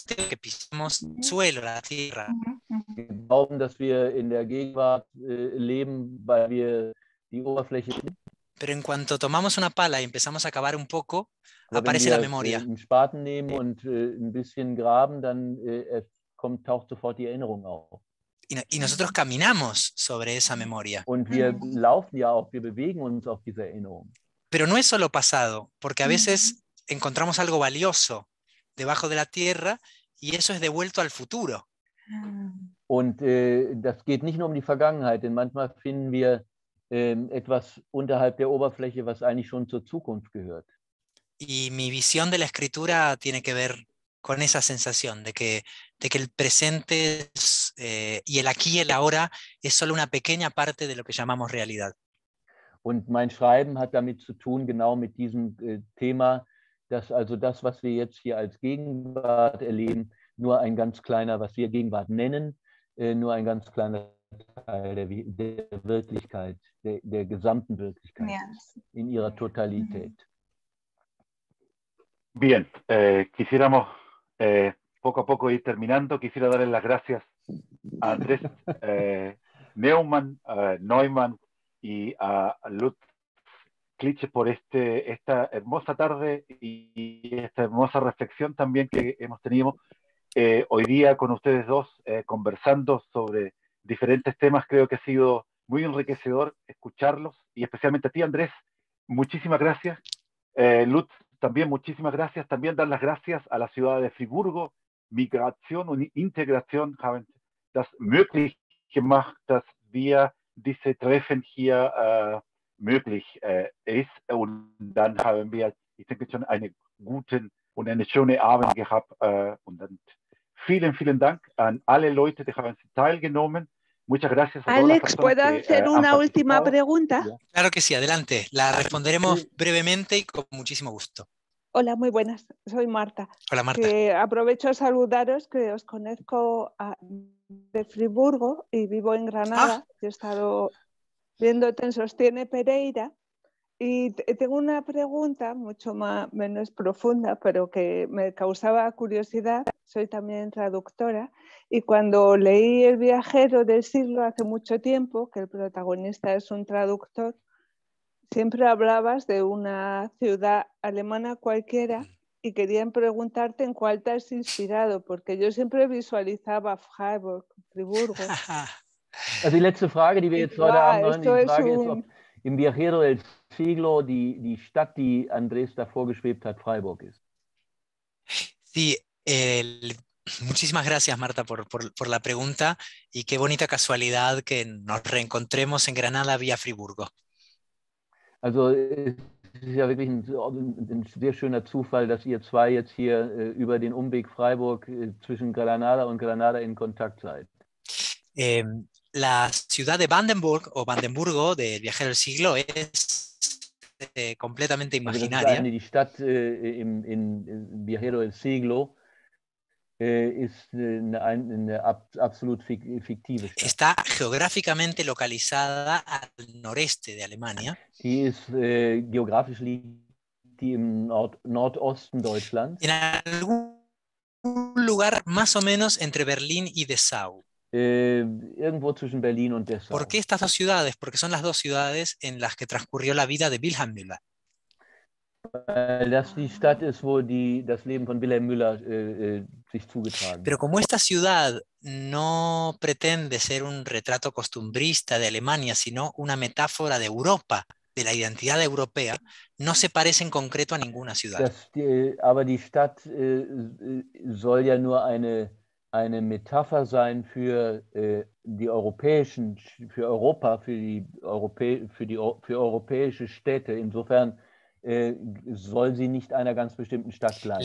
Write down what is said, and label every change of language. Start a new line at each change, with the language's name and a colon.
Spanish: Que pisamos suelo, la tierra.
German: Wir glauben, dass wir in der Gegenwart leben, weil wir die Oberfläche.
Spanish: Pero en cuanto tomamos una pala y empezamos a cavar un poco, aparece la memoria.
German: Wenn wir einen Spaten nehmen und ein bisschen graben, dann taucht sofort die Erinnerung auf.
Spanish: Y nosotros caminamos sobre esa memoria.
German: Und wir laufen ja auch, wir bewegen uns auf diese Erinnerung.
Spanish: Pero no es solo pasado, porque a veces encontramos algo valioso debajo de la tierra, y eso es devuelto al futuro.
German: Und das geht nicht nur um die Vergangenheit, denn manchmal finden wir etwas unterhalb der Oberfläche, was eigentlich schon zur Zukunft gehört.
Spanish: Y mi visión de la escritura tiene que ver con esa sensación de que el presente es, y el aquí y el ahora es solo una pequeña parte de lo que llamamos realidad.
German: Und mein Schreiben hat damit zu tun, genau mit diesem Thema, dass also das, was wir jetzt hier als Gegenwart erleben, nur ein ganz kleiner, was wir Gegenwart nennen, nur ein ganz kleiner Teil der Wirklichkeit, der gesamten Wirklichkeit, yes, in ihrer Totalität.
Spanish: Bien, quisiéramos poco a poco ir terminando. Quisiera darle las gracias a Andrés Neumann, Neumann y a Lutz Klitsche por esta hermosa tarde y esta hermosa reflexión también que hemos tenido hoy día con ustedes dos, conversando sobre diferentes temas. Creo que ha sido muy enriquecedor escucharlos, y especialmente a ti, Andrés, muchísimas gracias. Lutz, también muchísimas gracias. También dar las gracias a la ciudad de Friburgo,
German: Migración und Integration haben das möglich gemacht, dass wir diese Treffen hier möglich ist, und dann haben wir, ich denke, schon einen guten und eine schöne Abend gehabt, und dann vielen, vielen Dank an alle Leute, die haben teilgenommen.
Spanish: Muchas gracias a Alex, todas las personas. ¿Puedo hacer una última pregunta? Claro que sí, adelante, la responderemos brevemente y con muchísimo gusto. Hola, muy buenas. Soy Marta. Hola, Marta. Aprovecho a saludaros, que os conozco de Friburgo y vivo en Granada. Ah. He estado viendo Te Sostiene Pereira. Y tengo una pregunta mucho más, menos profunda, pero que me causaba curiosidad. Soy también traductora. Y cuando leí El viajero del siglo hace mucho tiempo, que el protagonista es un traductor, siempre hablabas de una ciudad alemana cualquiera y querían preguntarte en cuál te has inspirado, porque yo siempre visualizaba Freiburg, Friburgo.
German: Also die letzte Frage, die wir jetzt heute Abend noch nicht fragen, ist ob im Viajero del Siglo die Stadt, die Andrés da vorgeschwebt hat, Freiburg ist.
Spanish: Sí, muchísimas gracias, Marta, por la pregunta y qué bonita casualidad que nos reencontremos en Granada vía Friburgo.
German: Also es ist ja wirklich ein sehr schöner Zufall, dass ihr zwei jetzt hier über den Umweg Freiburg zwischen Granada und Granada in Kontakt seid.
Spanish: La ciudad de Brandenburg o Brandenburgo del Viajero del Siglo es completamente imaginaria.
German: Also die Stadt im Viajero del Siglo ist eine absolut fiktive Stadt.
Spanish: Está geográficamente localizada al noreste de Alemania.
German: Sie ist geografisch liegt im Nordosten Deutschlands.
Spanish: En algún lugar más o menos entre Berlín y Dessau.
German: Irgendwo zwischen Berlin und Dessau.
Spanish: ¿Por qué estas dos ciudades? Porque son las dos ciudades en las que transcurrió la vida de Wilhelm Müller.
German: Das die Stadt ist, wo die, das Leben von Wilhelm Müller sich zugetragen hat.
Spanish: Pero como esta ciudad no pretende ser un retrato costumbrista de Alemania, sino una metáfora de Europa, de la identidad europea, no se parece en concreto a ninguna ciudad.
German: Aber die Stadt soll ja nur eine Metapher sein für die europäischen, für Europa, für europäische Städte. Insofern soll sie nicht einer ganz bestimmten Stadt gleichen.